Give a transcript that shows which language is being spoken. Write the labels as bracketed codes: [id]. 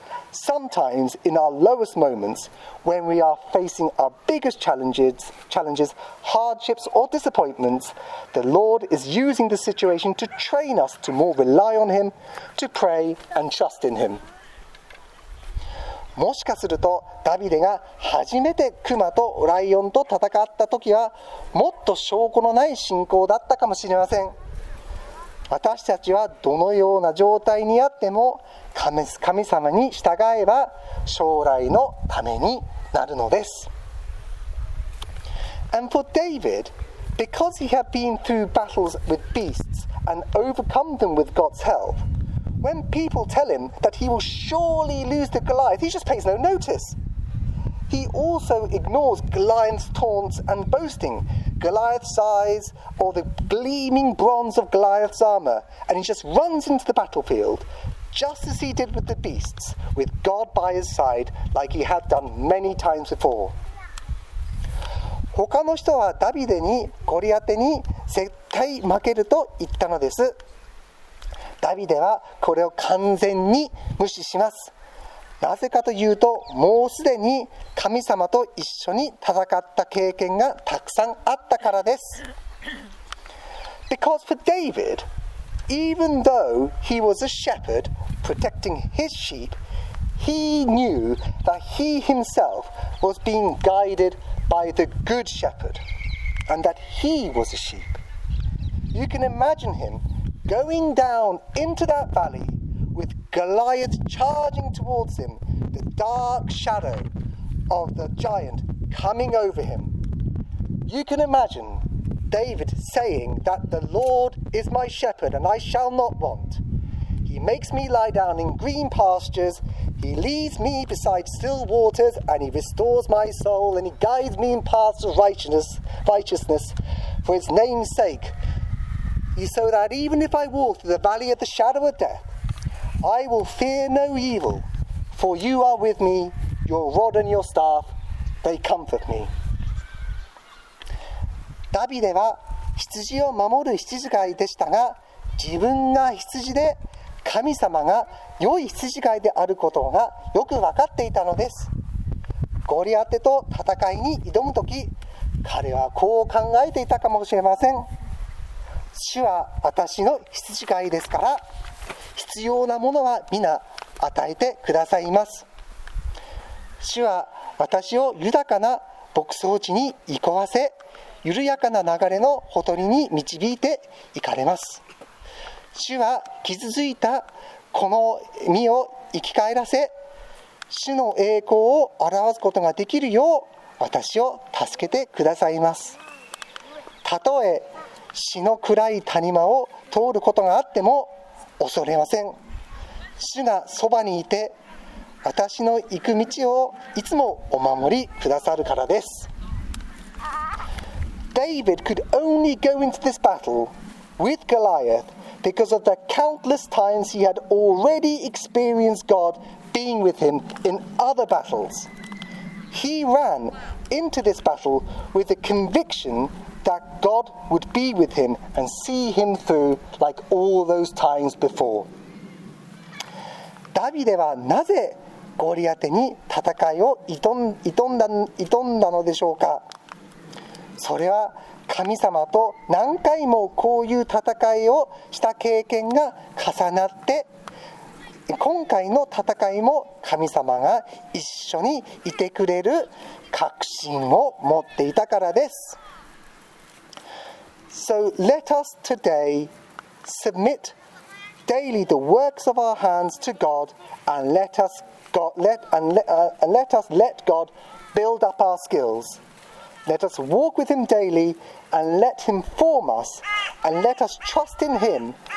[en] Sometimes in our lowest moments, when we are facing our biggest challenges, hardships or disappointments, the Lord is using the situation to train us to more rely on Him, to pray and trust in Him. [ja] もしかするとダビデが初めてクマとライオンと戦った時はもっと証拠のない信仰だったかもしれません。私たちはどのような状態にあっても神様に従えば将来のためになるのです。 [en] And for David, because he had been through battles with beasts and overcome them with God's help,When people tell him that he will surely lose to Goliath, he just pays no notice. He also ignores Goliath's taunts and boasting, Goliath's eyes, or the gleaming bronze of Goliath's armor, and he just runs into the battlefield, just as he did with the beasts, with God by his side, like he had done many times before. [ja] 他の人はダビデにゴリアテに絶対負けると言ったのです。ダビデはこれを完全に無視します。なぜかというと、もうすでに神様と一緒に戦った経験がたくさんあったからです。 [en] Because for David, even though he was a shepherd protecting his sheep, he knew that he himself was being guided by the good shepherd, and that he was a sheep. You can imagine him. Going down into that valley with Goliath charging towards him, the dark shadow of the giant coming over him. You can imagine David saying that the Lord is my shepherd and I shall not want. He makes me lie down in green pastures, he leads me beside still waters and he restores my soul and he guides me in paths of righteousness for his name's sake. So that even if I walk through the valley of the shadow of death, I will fear no evil, for you are with me, your rod and your staff, they comfort me. [ja] ダビデは羊を守る羊飼いでしたが、自分が羊で神様が良い羊飼いであることがよく分かっていたのです。ゴリアテと戦いに挑むとき、彼はこう考えていたかもしれません。主は私の羊飼いですから、必要なものは皆与えてくださいます。主は私を豊かな牧草地に行こわせ、緩やかな流れのほとりに導いていかれます。主は傷ついたこの身を生き返らせ、主の栄光を表すことができるよう私を助けてくださいます。たとえ死の暗い谷間を通ることがあっても恐れません。主がそばにいて、私の行く道をいつもお守りくださるからです。 [en] David could only go into this battle with Goliath because of the countless times he had already experienced God being with him in other battles. He ran into this battle with the conviction that God would be with him and see him through like all those times before. [ja] ダビデはなぜゴリアテに戦いを挑んだのでしょうか。それは神様と何回もこういう戦いをした経験が重なって、今回の戦いも神様が一緒にいてくれる確信を持っていたからです。 [en] So let us today submit daily the works of our hands to God and let us let God build up our skills. Let us walk with Him daily and let Him form us and let us trust in Him.